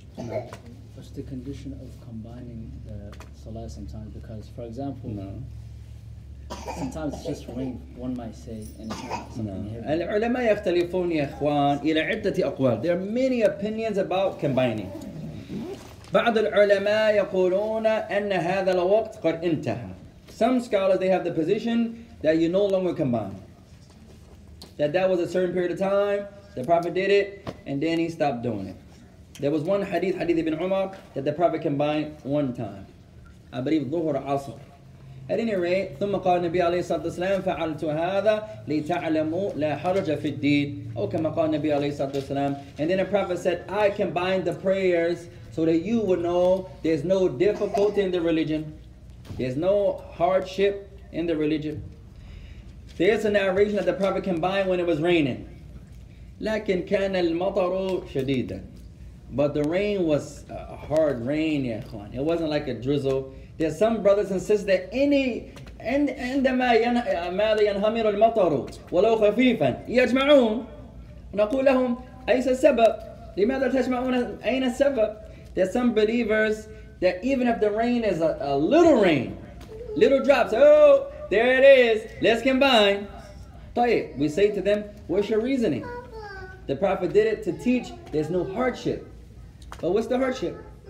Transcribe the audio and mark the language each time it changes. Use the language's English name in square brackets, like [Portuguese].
[English] No. What's the condition of combining the salah sometimes? Because, for example, no. Sometimes it's just rain, one might say, and it's not something here. [Arabic] Al-ulama yakhtalifun, ya ikhwan, ila iddati aqwal. [English] There are many opinions about combining. [Arabic] بعض العلماء يقولون أن هذا الوقت قد انتهى. [English] Some scholars, they have the position that you no longer combine. That was a certain period of time, the Prophet did it, and then he stopped doing it. There was one hadith, Hadith ibn Umar, that the Prophet combined one time. I believe Dhuhr Asr. At any rate, [Arabic] ثم قال النبي عليه الصلاة والسلام فعلت هذا لتعلموا لا حرج في الدين. أو كما قال النبي عليه الصلاة والسلام. [English] And then the Prophet said, I combined the prayers so that you would know there's no difficulty in the religion. There's no hardship in the religion. There's a narration that the Prophet combined when it was raining. [Arabic] لكن كان المطر شديدا. [English] But the rain was a hard rain, [Arabic] يا إخوان. [English] It wasn't like a drizzle. There's some brothers and sisters that any [Arabic] عندما ماذا ينهمر المطر ولو خفيفا يجمعون نقول لهم أيس السبب لماذا تجمعون أين السبب. [English] There's some believers that even if the rain is a little rain, little drops, oh, there it is, let's combine. [Arabic] طيب, [English] we say to them, what's your reasoning? The Prophet did it to teach there's no hardship. But what's the hardship?